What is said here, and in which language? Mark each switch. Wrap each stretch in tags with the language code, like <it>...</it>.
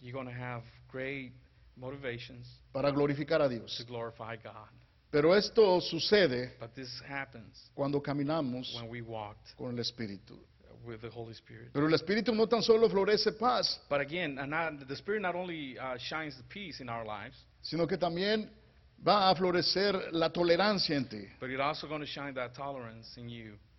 <en>You're going to have great motivations.</en> <es>Para glorificar a Dios.</es> <en>To glorify God.</en> <es>Pero esto sucede.</es> <en>But this happens.</en> <es>Cuando caminamos.</es> <en>When we walked.</en> <es>Con el Espíritu.</es> <en>With the Holy Spirit.</en> <es>Pero el Espíritu no tan solo florece paz,</es> <en>but again, the Spirit not only shines the peace in our lives,</en> <es>sino que también va a florecer la tolerancia en ti.</es> <en>But it's also going to shine that tolerance in you.</en>